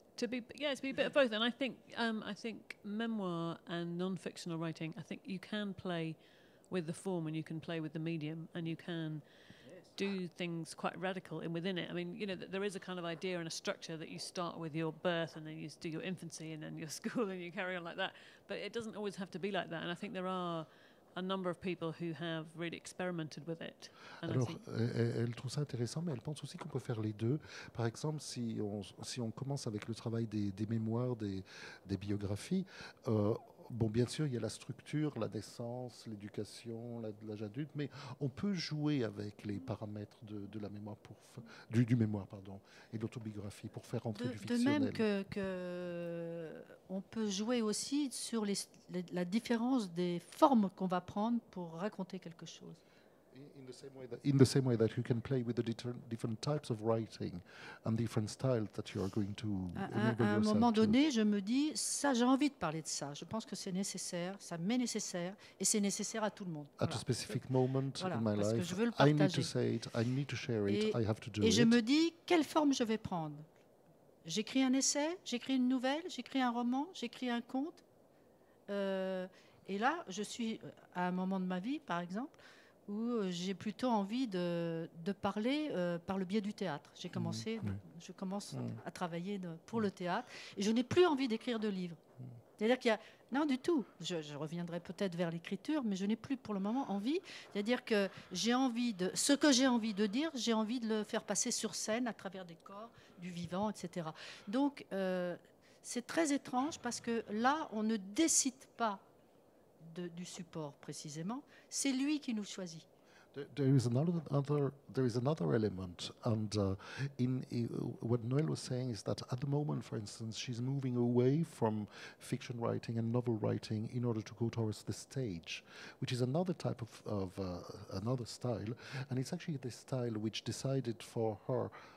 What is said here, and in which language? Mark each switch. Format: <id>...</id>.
<en>to be a bit of both. And I think memoir and non-fictional writing, I think you can play with the form and you can play with the medium and you can... do things quite radical and within it. I mean, you know, there is a kind of idea and a structure that you start with your birth and then you do your infancy and then your school and you carry on like that. But it doesn't always have to be like that. And I think there are a number of people who have really experimented with it.</en> <fr>Alors, elle trouve ça intéressant, mais elle pense aussi qu'on peut faire les deux. Par exemple, si on commence avec le travail des mémoires, des biographies, Bon, bien sûr, il y a la structure, la naissance, l'éducation, l'âge adulte, mais on peut jouer avec les paramètres de la mémoire pour du mémoire, et l'autobiographie pour faire entrer du fictionnel. De même que on peut jouer aussi sur la différence des formes qu'on va prendre pour raconter quelque chose.</fr> <en>In the same way that you can play with the different types of writing and different styles that you are going to.</en> <fr>À un moment donné, je me dis ça, j'ai envie de parler de ça. Je pense que c'est nécessaire, ça m'est nécessaire, et c'est nécessaire à tout le monde.</fr> <en>At a specific moment in my life, I need to say it. I need to share it. I have to do it.</en> <fr>Et je me dis quelle forme je vais prendre. J'écris un essai, j'écris une nouvelle, j'écris un roman, j'écris un conte. Et là, je suis à un moment de ma vie, par exemple. Où j'ai plutôt envie de parler par le biais du théâtre. J'ai commencé, je commence à travailler pour le théâtre, et je n'ai plus envie d'écrire de livres. C'est-à-dire qu'il y a non du tout. Je reviendrai peut-être vers l'écriture, mais je n'ai plus pour le moment envie. C'est-à-dire que j'ai envie de ce que j'ai envie de dire, j'ai envie de le faire passer sur scène à travers des corps, du vivant, etc. Donc c'est très étrange parce que là on ne décide pas. Du support précisément, c'est lui qui nous choisit.</fr> <en>There is another element, and what Noël was saying is that at the moment, for instance, she's moving away from fiction writing and novel writing in order to go towards the stage, which is another type of another style, and it's actually this style which decided for her.</en>